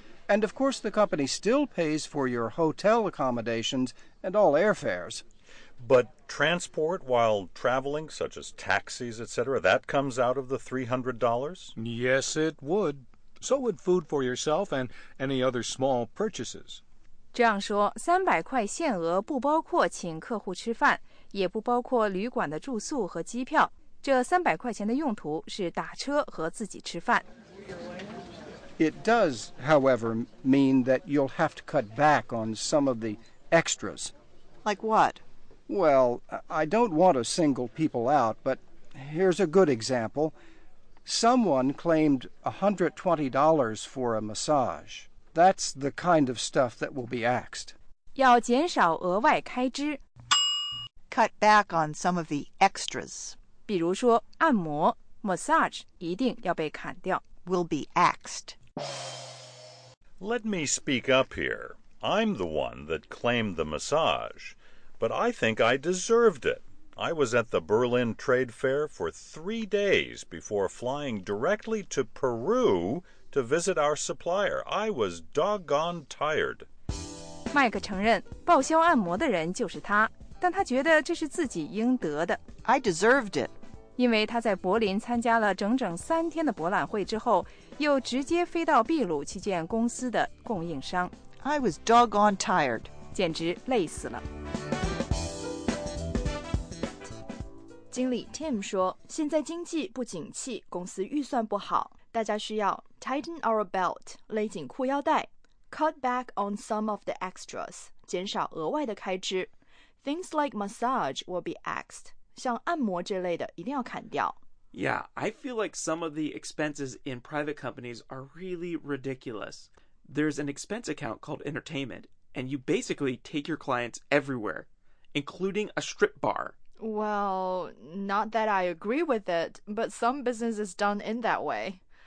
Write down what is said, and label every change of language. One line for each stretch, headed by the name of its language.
English: And of course, the company still pays for your hotel accommodations and all airfares. But transport while traveling, such as taxis, etc., that comes out of the $300? Yes, it would. So would food for yourself and any other small purchases.
Chinese: 这样说，300块限额不包括请客户吃饭，也不包括旅馆的住宿和机票。这300块钱的用途是打车和自己吃饭。
English: It does, however, mean that you'll have to cut back on some of the extras. Like what? Well, I don't want to single people out, but here's a good example. Someone claimed $120 for a massage. That's the kind of stuff that will be axed.
Chinese: 要减少额外开支。
English: Cut back on some of the extras.
Chinese: 比如说按摩 massage 一定要被砍掉。
English: Will be axed. Let me speak up here. I'm the one that claimed the massage, but I think I deserved it. I was at the Berlin Trade Fair for 3 days before flying directly to Peru to visit our supplier. I was doggone tired.
Chinese: Mike 承认报销按摩的人就是他，但他觉得这是自己应得的。
English: I deserved it.
Chinese: 因为他在柏林参加了整整三天的博览会之后，又直接飞到秘鲁去见公司的供应商。
English: I was doggone tired.
Chinese: 简直累死了。经理 Tim 说，现在经济不景气，公司预算不好，大家需要
English: tighten our belt,
Chinese: 勒紧裤腰带 ,
English: cut back on some of the extras,
Chinese: 减少额外的开支。
English: Things like massage will be axed.
Chinese: 像按摩这类的一定要砍掉。
English: Yeah, I feel like some of the expenses in private companies are really ridiculous. There's an expense account called entertainment, and you basically take your clients everywhere, including a strip bar. Well, not that I agree with it, but some business is done in that way.